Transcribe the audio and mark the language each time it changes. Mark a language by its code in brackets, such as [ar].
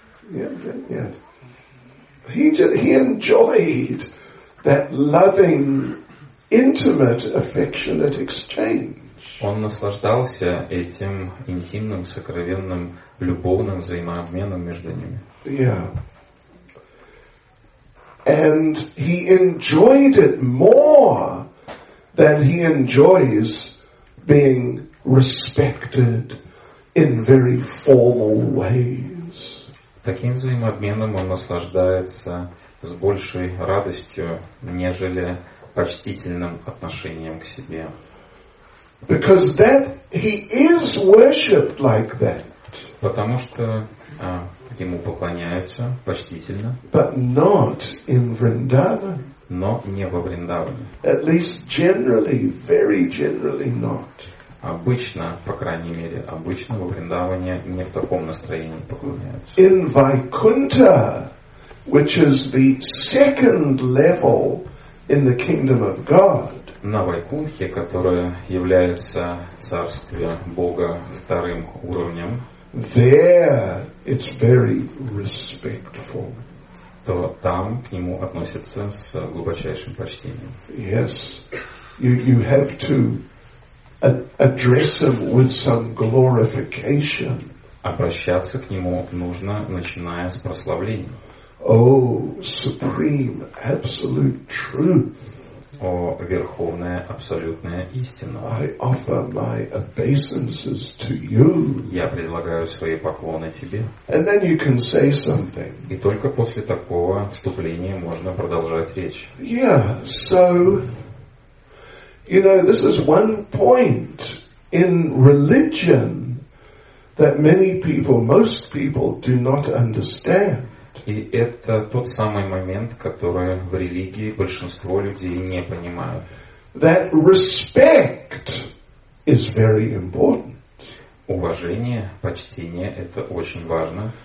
[ru] Нет. [en] He enjoyed that loving, intimate, affectionate exchange. [ru] Он наслаждался этим интимным, сокровенным, любовным взаимообменом между ними. [en] Yeah. And he enjoyed it more than he enjoys being respected in very formal ways. [ru] Таким взаимообменом он наслаждается с большей радостью, нежели почтительным отношением к себе. [en] Because that he is worshipped like that. [ru] Потому что ему поклоняются почтительно. [en] But not in Vrindavan. [ru] Но не во Вриндаване. [en] At least generally, very generally not. [ru] Обычно, по крайней мере, обычно во Вриндаване не в таком настроении поклоняются. [en] In Vaikuntha, which is the second level in the kingdom of God. [ru] На Вайкунхе, которая является царствием Бога вторым уровнем, [en] there it's very respectful. [ru] То там к нему относятся с глубочайшим почтением. [en] Yes, you have to address him with some glorification. [ru] Обращаться к нему нужно, начиная с прославления. [en] Oh, supreme, absolute truth. [ru] О, верховная, абсолютная истина. [en] I offer my obeisances to you. [ru] Я предлагаю свои поклоны тебе. [en] And then you can say something. [ru] И только после такого вступления можно продолжать речь. [en] Yeah, so, you know, this is one point in religion that many people, most people do not understand. [ru] И это тот самый момент, который в религии большинство людей не понимают. [en] That respect is very important. [ru] Уважение, почтение – это очень важно.